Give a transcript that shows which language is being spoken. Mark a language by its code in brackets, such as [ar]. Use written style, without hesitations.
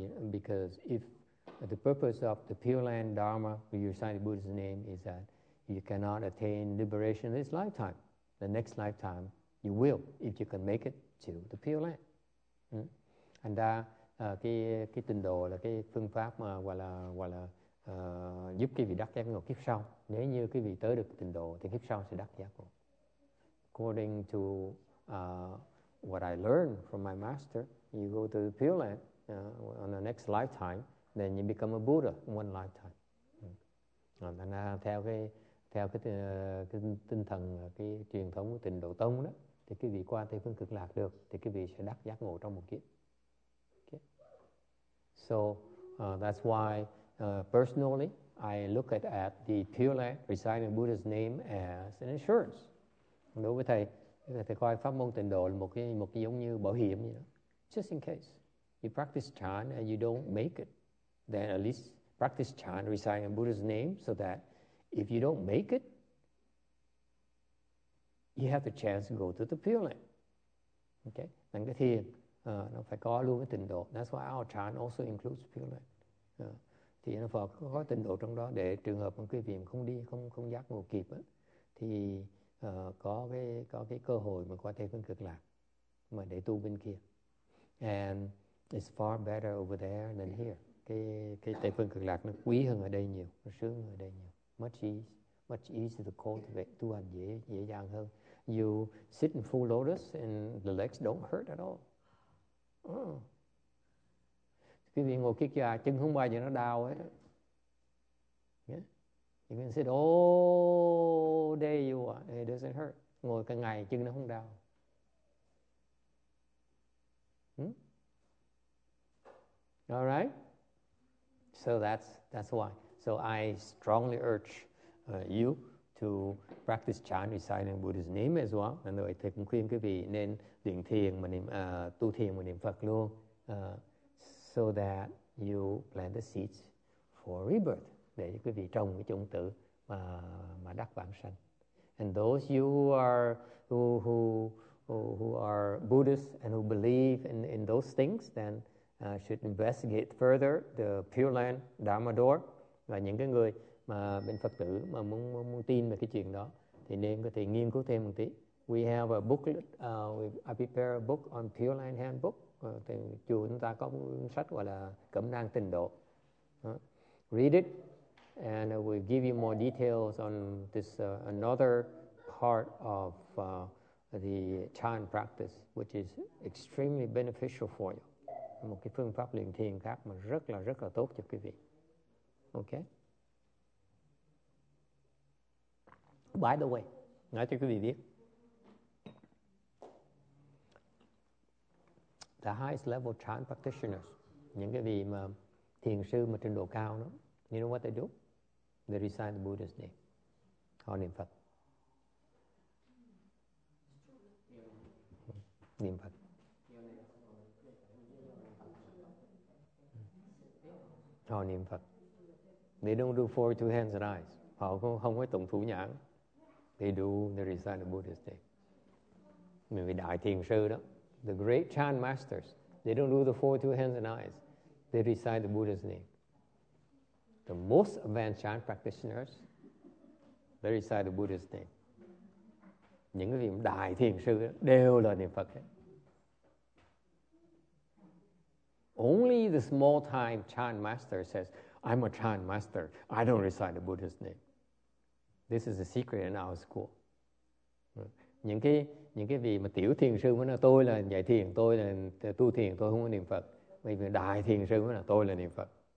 [en] Because if the purpose of the Pure Land Dharma, where you recite the Buddha's name, is that you cannot attain liberation this lifetime. The next lifetime, you will, if you can make it to the Pure Land. [vi] And cái tình độ là cái phương pháp mà gọi là giúp quý vị đắc giác ngộ kiếp sau. Nếu như quý vị tới được tình độ, thì kiếp sau sẽ đắc giác ngộ. [en] According to what I learned from my master, you go to the Pure Land on the next lifetime, then you become a Buddha in one lifetime. [vi] And theo cái tinh thần cái truyền thống của Tịnh Độ Tông đó, thì quý vị qua Tây Phương Cực Lạc được, thì quý vị sẽ đắc giác ngộ trong một kiếp. [en] Okay. So that's why personally I look at the Pure Land reciting Buddha's name as an insurance. [vi] Đối với thầy coi pháp môn Tịnh Độ là một cái giống như bảo hiểm vậy đó. [en] Just in case you practice Chan and you don't make it, then at least practice Chan, reciting Buddha's name, so that if you don't make it, you have the chance to go to the Pure Land. Okay? [vi] Nên cái thiền, nó phải có luôn cái tình độ. [en] That's why our Chan also includes Pure Land. [vi] Thì nó phải có tình độ trong đó để trường hợp quý vị không đi, không giác ngộ kịp, thì có cái cơ hội mà qua Tây Phương Cực Lạc, mà để tu bên kia. [en] And it's far better over there than here. [vi] Cái Tây Phương Cực Lạc nó quý hơn ở đây nhiều, nó sướng hơn ở đây nhiều. [en] Much easier to cultivate, [vi] tu hành dễ dàng hơn. [en] You sit in full lotus and the legs don't hurt at all. Oh. [vi] Quý vị ngồi kia kìa, chân không bao giờ nó đau hết. [en] Yeah. You can sit all day you want, it doesn't hurt. [vi] Ngồi cả ngày chân nó không đau. [en] All right? So that's why. So I strongly urge you to practice chant reciting Buddhist name as well. [vi] Nên rồi thầy cũng khuyên quý vị nên luyện thiền mà niệm tu thiền mà niệm Phật luôn. [en] So that you plant the seeds for rebirth. [vi] Để quý vị trồng cái chủng tử mà đắc vãng sanh. [en] And those you who are Buddhist and who believe in those things, then should investigate further the Pure Land Dharma Door. [vi] Và những cái người mà bên Phật tử mà muốn tin về cái chuyện đó thì nên có thể nghiên cứu thêm một tí. [en] We have a booklet. I prepare a book on Pure Land Handbook. [vi] Thì chùa chúng ta có một sách gọi là Cẩm Nang Tịnh Độ. [en] Read it, and we will give you more details on this another part of the chan practice, which is extremely beneficial for you. [vi] Một cái phương pháp luyện thiền khác mà rất là tốt cho quý vị. Okay. [en] By the way, [vi] nói cho quý vị biết, [en] the highest level chan practitioners, [vi] những cái vị mà thiền sư mà trình độ cao đó, [en] you know what they do? They recite the Buddha's name. [vi] Họ niệm Phật. Niệm Phật. Họ niệm Phật. [en] They don't do four, two hands and eyes. [vi] Họ không có tụng thủ nhãn. [en] They recite the Buddha's name. [vi] Mình vì đại thiền sư đó. [en] The great Chan masters, they don't do the four, two hands and eyes. They recite the Buddha's name. The most advanced Chan practitioners, they recite the Buddha's name. [vi] Những cái vị đại thiền sư đó, đều là niệm Phật hết. [en] Only the small time Chan master says, I'm a Chan master, I don't recite the Buddha's name. This is a secret in our school. [vi] Những cái vị mà tiểu thiền sư mới nói tôi là dạy thiền, tôi là tu thiền, tôi không có niệm Phật. Mấy vị đại thiền sư mới nói tôi là niệm Phật.